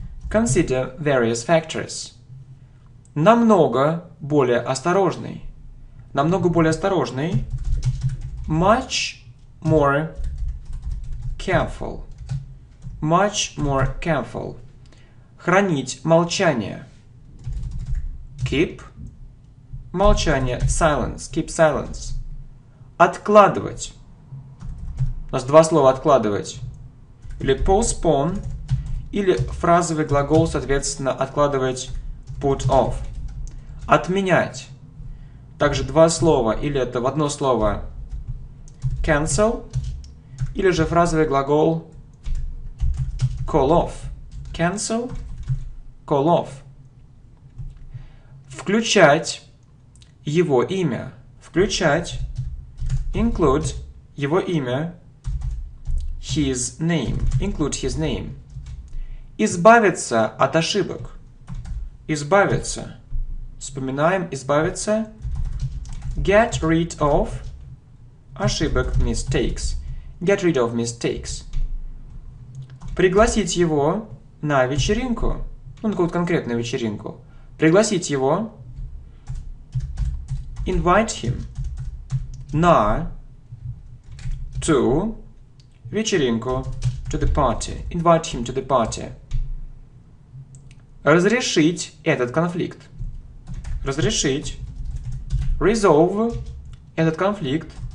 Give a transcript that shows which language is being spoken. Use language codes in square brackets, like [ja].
[en] Consider various factors. [ru] Намного более осторожный. Намного более осторожный. [en] Much more careful. Much more careful. [ru] Хранить молчание. [en] Keep [ru] молчание. [en] Silence. Keep silence. [ru] Откладывать. У нас два слова откладывать. Или [en] postpone, [ru] или фразовый глагол, соответственно, откладывать [en] put off. [ru] Отменять. Также два слова, или это в одно слово [en] cancel, [ru] или же фразовый глагол [en] call off. Cancel, call off. [ru] Включать его имя. Включать, [en] include [ru] его имя, [en] his name, include his name. [ru] Избавиться от ошибок. Избавиться. Вспоминаем, избавиться. [en] Get rid of [ru] ошибок, [en] mistakes. Get rid of mistakes. [ru] Пригласить его на вечеринку. Ну, на какую-то конкретную вечеринку. Пригласить его. [en] Invite him [ru] на [en] to [ru] вечеринку, [en] to the party. Invite him to the party. [ru] Разрешить этот конфликт. Разрешить. [en] Resolve [ru] этот конфликт.